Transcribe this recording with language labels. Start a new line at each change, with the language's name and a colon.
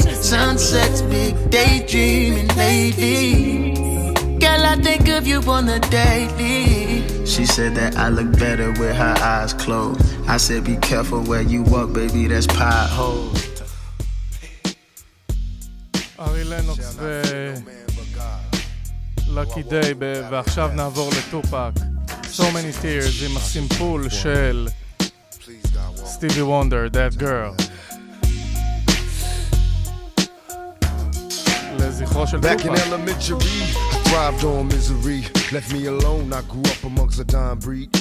English: Sunsets, big daydreaming, lady. Girl, I think of you on the daily. She said that I look better with her eyes closed. I said, be careful where you walk, baby, that's pothole. Ari
Hebrew: לנוקס ולקי דיי, ועכשיו נעבור לטופק. So many tears עם הסימפול של סטיבי וונדר, That Girl. לזכרו של טופק.
English: Thrived on misery, left me alone. I grew up amongst a dying breed.